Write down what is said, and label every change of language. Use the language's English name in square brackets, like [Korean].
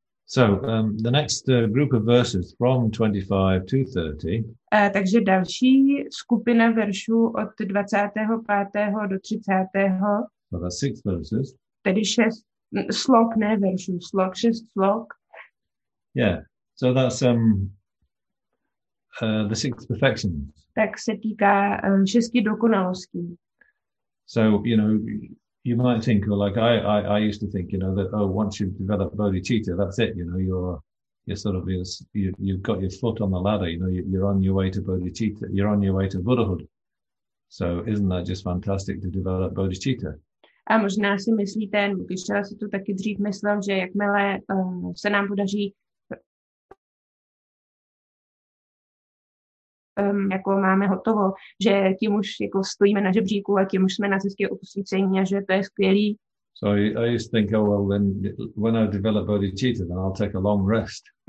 [English] So, the next group of verses from 25 to 30. [Czech] Takže další skupina veršů od 25. do 30. [English] So that's six verses. [Czech] Tedy šest slok, ne veršů, slok, šest slok. [English] Yeah, so that's the six perfections. [Czech] Tak se týká šesti dokonalostí. [English] So, you know, you might think, well, like I used to think, you know, that oh, once you've developed bodhicitta, that's it. You know, you've got your foot on the ladder. You know, you're on your way to bodhicitta. You're on your way to Buddhahood. So isn't that just fantastic to develop bodhicitta? [Czech] A možná si myslíte, když já si to taky dřív myslel, že jakmile se nám podaří jako máme hotovo, že tím už jako stojíme na žebříku a tím už jsme na cestě osvícení a že to je skvělý. [English] So I used to think, oh well, when I develop bodhicitta, then I'll take a long rest.